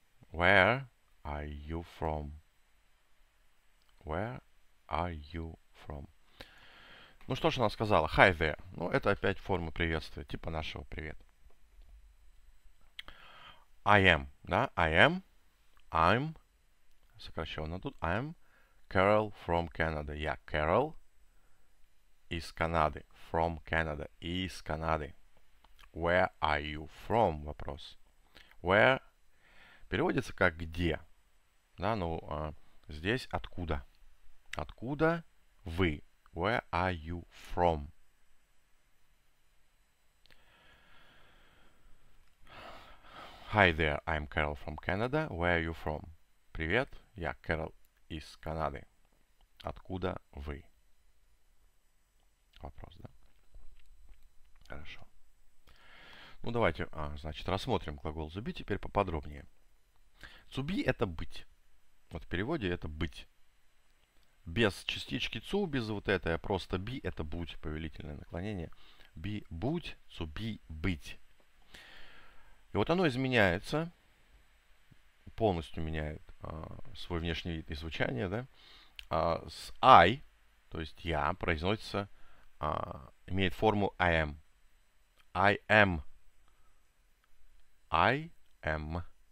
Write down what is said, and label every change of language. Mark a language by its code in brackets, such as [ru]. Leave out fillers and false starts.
[en] Where are you from? Where are you from? [ru] Ну что ж она сказала? [en] Hi there. [ru] Ну, это опять форма приветствия, типа нашего привет. [en] I am, да? I am, I'm, [ru] сокращенно тут, [en] I'm Carol from Canada. [ru] Я Carol из Канады. [en] From Canada, [ru] из Канады. [en] Where are you from? Вопрос. [ru] Where переводится как где, да, ну, здесь откуда. Откуда вы? [en] Where are you from? Hi there, I'm Carol from Canada. Where are you from? [ru] Привет, я Carol из Канады. Откуда вы? Вопрос, да? Хорошо. Ну, давайте, значит, рассмотрим глагол to be теперь поподробнее. To be – это быть. Вот в переводе это быть. Без частички to, без вот этого, просто be – это будь, повелительное наклонение. Be – будь, to be – быть. И вот оно изменяется, полностью меняет свой внешний вид и звучание, да? С I, то есть я, произносится, имеет форму [en] I am. I am. I am.